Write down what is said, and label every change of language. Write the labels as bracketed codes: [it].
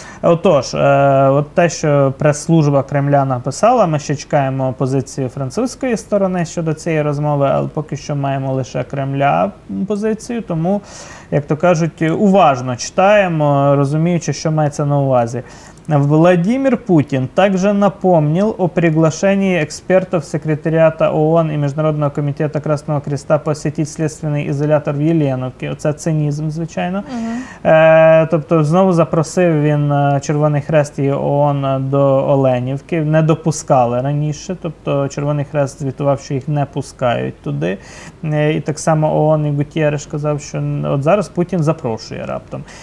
[uk] Отож, от те, що прес-служба Кремля написала, ми ще чекаємо позицію французької сторони щодо цієї розмови, але поки що маємо лише Кремля позицію, тому, як то кажуть, уважно читаємо, розуміючи, що мається на увазі. [ru] Владимир Путин также напомнил о приглашении экспертов секретариата ООН и Международного комитета Красного Креста посетить следственный изолятор в Єленовці. [uk] Оце цинізм, звичайно. Тобто, знову запросив він Червоний Хрест і ООН до Оленівки. Не допускали раніше. Тобто, Червоний Хрест звітував, що їх не пускають туди. І так само ООН і Гутєреш казав, що от зараз Путін запрошує раптом.